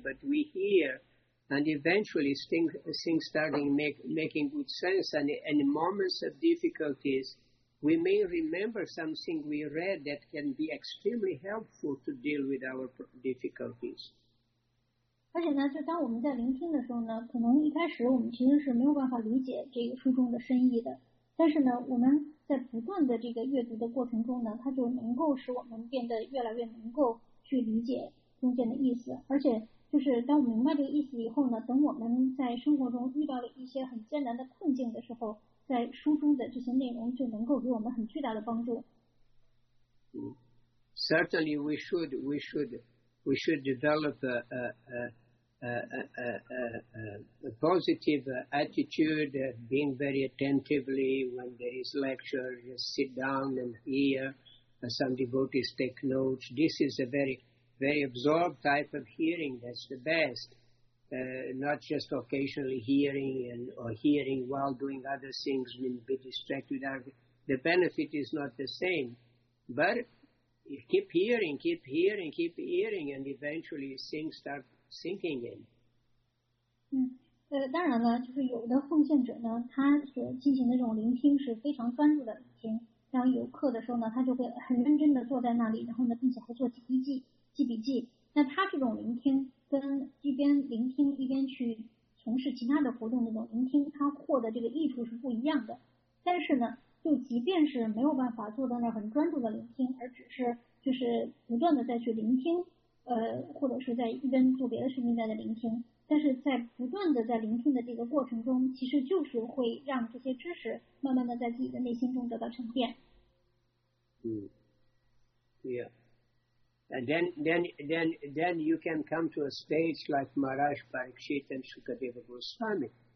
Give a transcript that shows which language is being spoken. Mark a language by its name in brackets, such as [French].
[English] But we hear, and eventually things starting making good sense. And in moments of difficulties, we may remember something we read that can be extremely helpful to deal with our difficulties. [Chinese] 而且呢，就当我们在聆听的时候呢，可能一开始我们其实是没有办法理解这个书中的深意的。但是呢，我们在不断的这个阅读的过程中呢，它就能够使我们变得越来越能够去理解中间的意思。而且就是当我们明白这个意思以后呢，等我们在生活中遇到了一些很艰难的困境的时候，在书中的这些内容就能够给我们很巨大的帮助。 [English] Certainly we should develop a positive attitude, being very attentively when there is lecture, just sit down and hear, and some devotees take notes. This is a very, very absorbed type of hearing. That's the best. Not just occasionally hearing or hearing while doing other things, being a bit distracted. The benefit is not the same. But you keep hearing, keep hearing, keep hearing, and eventually things start sinking in. [Chinese] 当然了，就是有的奉献者呢，他所进行的这种聆听是非常专注的聆听。然后有课的时候呢，他就会很认真的坐在那里，然后呢，并且还做记笔记。那他这种聆听跟一边聆听一边去从事其他的活动那种聆听，他获得这个益处是不一样的。但是呢，就即便是没有办法坐在那很专注的聆听，而只是就是不断的再去聆听。或者是在一边做别的事情在聆听，但是在不断的在聆听的这个过程中，其实就是会让这些知识慢慢的在自己的内心中得到沉淀。 [English] And then you can come to a stage like Maharaj Parikshit and Sukadeva Goswami.